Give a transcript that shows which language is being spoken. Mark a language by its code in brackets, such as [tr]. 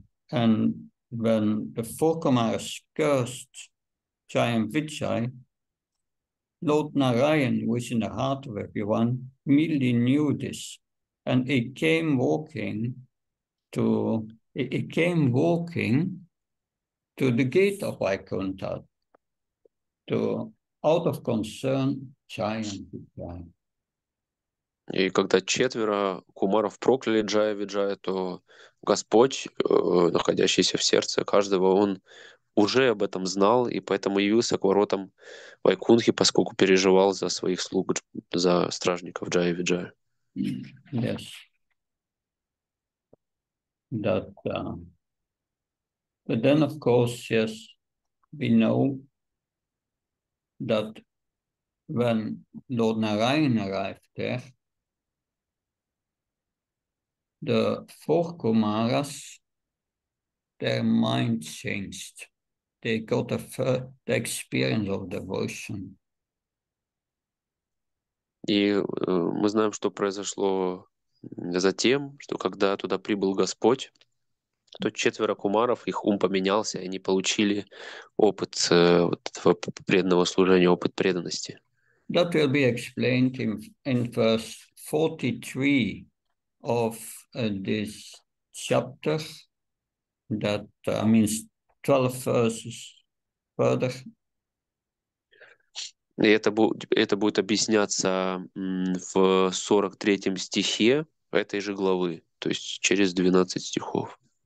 [en] And when the four Kumaras cursed Jai and Vijay, Lord Narayan, who is in the heart of everyone, immediately knew this. And he came walking to the gate of Vaikuntha to out of concern Jai and Vijay. [ru] И когда четверо кумаров прокляли Джая Виджая, то Господь, находящийся в сердце каждого, он уже об этом знал и поэтому явился к воротам Вайкунхи, поскольку переживал за своих слуг, за стражников Джая Виджая. [en] Yes. That, but then, of course, yes, we know that when Lord Narayan arrived there, the four Kumaras, their mind changed. They got the experience of devotion. [ru] И мы знаем, что произошло затем, что когда туда прибыл Господь, то четверо кумаров, их ум поменялся, и они получили опыт вот этого преданного служения, опыт преданности. [en] That will be explained in verse 43 of this chapter, that means 12 verses further. [ru] И это будет объясняться в 43 стихе этой же главы, то есть через 12 стихов.